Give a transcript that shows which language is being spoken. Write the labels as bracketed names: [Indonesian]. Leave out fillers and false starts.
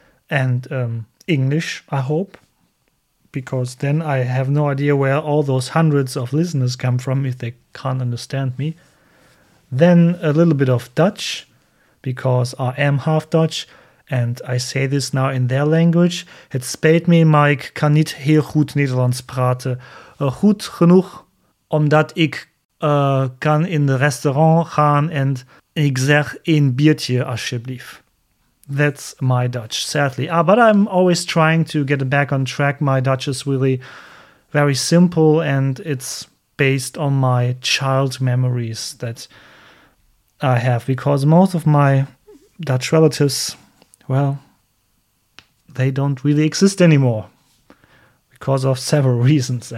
[English] And English, I hope, because then I have no idea where all those hundreds of listeners come from if they can't understand me. Then a little bit of Dutch, because I am half Dutch, and I say this now in their language. [Dutch] Het spijt me, maar ik kan niet heel goed Nederlands praten. Goed genoeg, omdat ik kan in de restaurant gaan en ik zeg een biertje alsjeblieft. [English] That's my Dutch, sadly. But I'm always trying to get back on track. My Dutch is really very simple, and it's based on my child memories that I have, because most of my Dutch relatives, well, they don't really exist anymore because of several reasons.